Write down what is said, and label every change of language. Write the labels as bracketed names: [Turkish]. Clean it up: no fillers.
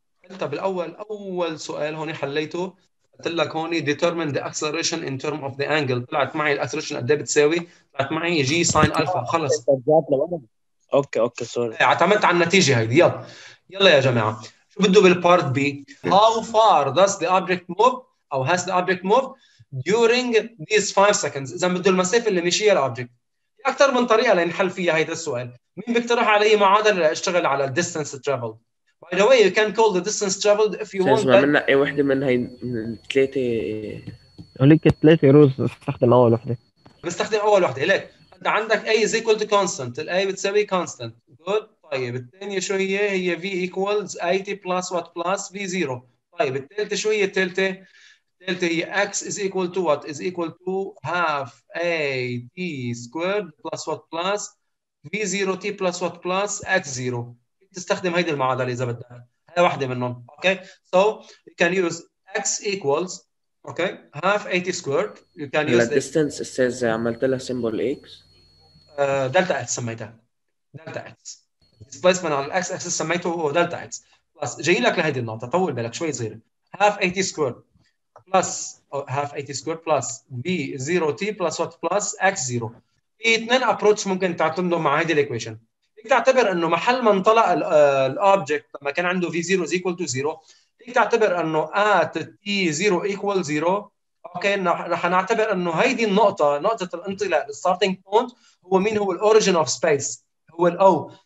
[Arabic] قلتها بالأول، أول سؤال هوني حليته قلت لك هوني [English] determine the acceleration in term of the angle، [Arabic] طلعت معي الأكسلريشن قد ايه بتساوي؟ طلعت معي جي ساين ألفا. خلص أوكي أوكي سوري اعتمدت على النتيجة هيدي. يلا يلا يا جماعة شو بده بالبارت بي؟ [English] How far does the object move أو has the object moved during these 5 seconds؟ [Arabic] إذا بده المسافة اللي مشيها الأوبجيكت. أكثر من طريقة لنحل فيها هيدا السؤال، مين بيقترح علي معادلة لأشتغل على distance traveled؟ [English] By the way you can call the distance traveled if you want. [Arabic] منا أي وحدة من هاي الثلاثة؟ هوليك الثلاثة روز بستخدم أول وحدة. بستخدم أول وحدة، ليك عندك A is equal to constant، الـ A بتساوي constant. [English] Good. [Arabic] طيب الثانية شو هي؟ هي [English] V equals AT plus what plus V0. [Arabic] طيب الثالثة شو هي الثالثة؟ الثالثة هي [English] x is equal to what is equal to half a t squared plus what plus v0 t plus what plus x0. [Arabic] تستخدم هيدي المعادلة إذا بدك، هي واحدة منهم. [English] Okay so you can use x equals okay half a t squared. You can use the distance it says [Arabic] عملت لها [English] symbol x delta x [Arabic] سميتها [English] delta x displacement على x axis [Arabic] سميته هو [English] delta x plus [Arabic] جاي لك لهيدي النقطة طول بالك شوي صغيرة [English] half a t squared plus half a t squared plus v zero t plus what plus x zero. [Arabic] في اثنين approach ممكن تعتمدوا مع هذه الequation. فيك تعتبر انه محل ما انطلق ال object لما كان عنده [English] v zero is equal to zero، [Arabic] فيك تعتبر انه [English] at t zero equal zero. [Arabic] اوكي رح نعتبر انه هيدي النقطة نقطة الانطلاق starting point هو مين؟ هو origin of space هو ال O.